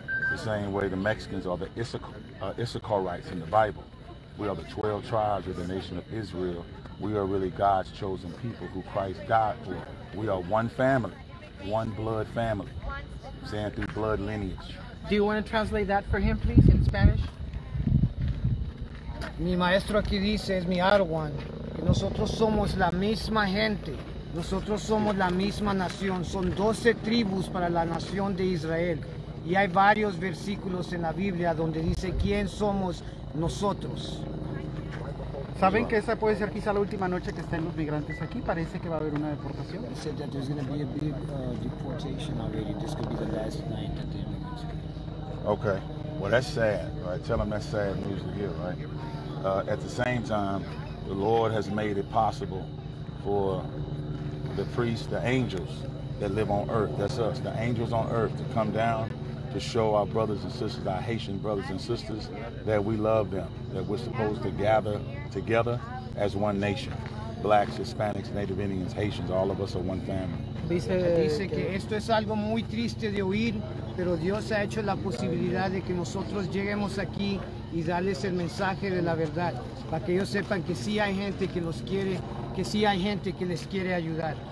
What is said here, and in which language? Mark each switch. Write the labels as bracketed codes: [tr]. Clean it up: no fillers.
[en] The same way the Mexicans are the Issacharites in the Bible. We are the 12 tribes of the nation of Israel. We are really God's chosen people who Christ died for. We are one family, one blood family, saying through blood lineage. Do you want to translate that for him, please, in Spanish? [es] Mi maestro aquí dice, es mi Arawan, que nosotros somos la misma gente. Nosotros somos la misma nación. Son 12 tribus para la nación de Israel. Y hay varios versículos en la Biblia donde dice quién somos nosotros. ¿Saben que esa puede ser quizá la última noche que estén los migrantes aquí? Parece que va a haber una deportación. [en] They said that there's going to be a big deportation already. This could be the last night that they're going to be. Okay. Well, that's sad, right? Tell them that's sad news to hear, right? At the same time, the Lord has made it possible for the priests, the angels that live on earth, that's us, the angels on earth, to come down to show our brothers and sisters, our Haitian brothers and sisters, that we love them, that we're supposed to gather together as one nation. Blacks, Hispanics, Native Indians, Haitians, all of us are one family. [es] Dice que esto es algo muy triste de oír, pero Dios ha hecho la posibilidad de que nosotros lleguemos aquí y darles el mensaje de la verdad, para que ellos sepan que sí hay gente que los quiere, que sí hay gente que les quiere ayudar.